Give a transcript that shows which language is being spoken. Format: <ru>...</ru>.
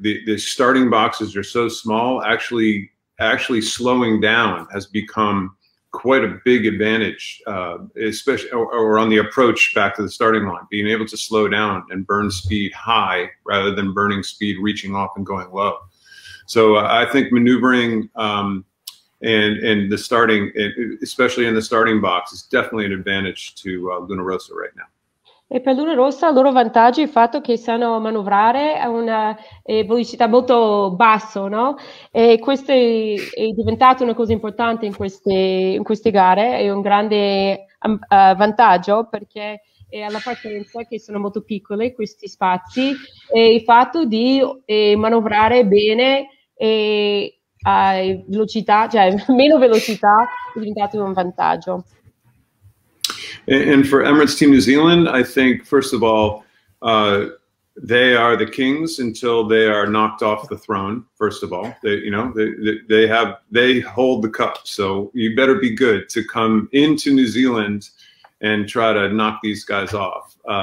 <en>The starting boxes are so small, actually slowing down has become quite a big advantage, especially on the approach back to the starting line, being able to slow down and burn speed high rather than burning speed reaching off and going low. So I think maneuvering and the starting, especially in the starting box, is definitely an advantage to Lunarosa right now.</en> <it>E per Lunarosa il loro vantaggio è il fatto che sanno manovrare a una velocità molto basso, no? E questo è diventato una cosa importante in queste gare, è un grande vantaggio perché e alla partenza, che sono molto piccole questi spazi, e il fatto di manovrare bene e a velocità, cioè meno velocità, è diventato un vantaggio.</it> <en>And for Emirates Team New Zealand, I think, first of all, they are the kings until they are knocked off the throne. First of all, they hold the cup, so you better be good to come into New Zealand and try to knock these guys off.</en>